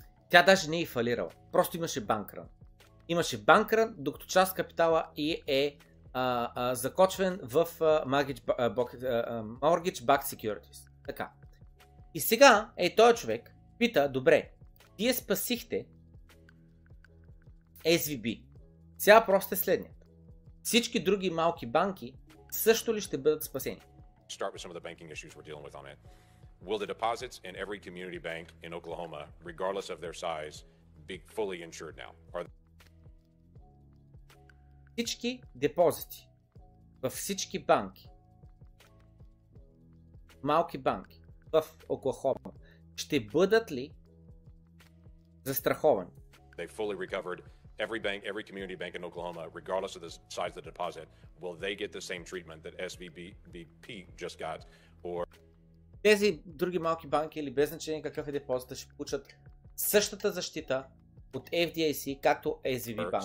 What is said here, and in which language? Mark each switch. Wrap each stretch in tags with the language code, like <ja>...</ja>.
<bg>Тя даже не е фалирала. Просто имаше банкран. Имаше банкран, докато част капитала и е закочвен в Mortgage Backed Securities. Така. И сега, ей, той човек пита, добре, вие спасихте SVB. Сега просто е следният. Всички други малки банки също ли ще бъдат спасени?</bg> <en>Start with some of the banking issues we're dealing with on it. Will the deposits in every community bank in Oklahoma, regardless of their size, be fully insured now?</en> <bg>Всички депозити във всички банки, малки банки в Оклахома, ще бъдат ли застраховани?</bg> <en>They fully recovered every bank, every community bank in Oklahoma, regardless of the size of the deposit, will they get the same treatment that SVB just got? Or...</en> <bg>Тези други малки банки или без значение какъв е депозита, ще получат същата защита от FDIC, както SVB банк.</bg>